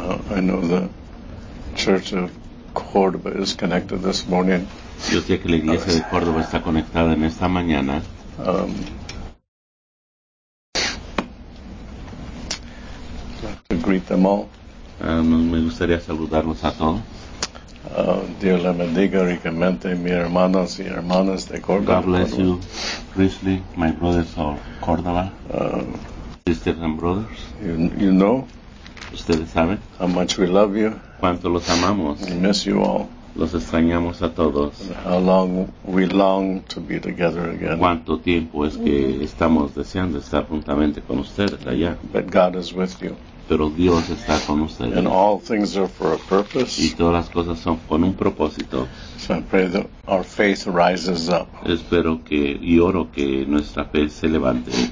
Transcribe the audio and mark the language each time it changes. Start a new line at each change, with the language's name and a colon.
English: I know the Church of Cordoba is connected this morning.
Spanish: Yo sé que la iglesia de Córdoba está conectada en esta mañana.
English: I'd like to greet them all.
Spanish: Me gustaría saludarlos a todos. Dios le bendiga ricamente, mis hermanos y hermanas de Córdoba.
English: God bless you, Chrisley, my brothers of Córdoba. Sisters and brothers, you know,
Spanish: ustedes saben,
English: how much we love you.
Spanish: Cuánto los amamos.
English: We miss you all.
Spanish: Los extrañamos a todos.
English: How long we long to be together again.
Spanish: Cuánto tiempo es que estamos deseando estar juntamente con ustedes allá.
English: But God is with you.
Spanish: Pero Dios está con ustedes.
English: And all things are for a purpose.
Spanish: Y todas las cosas son con un propósito.
English: So I pray that our faith rises up.
Spanish: Espero que, y oro que nuestra fe se levante.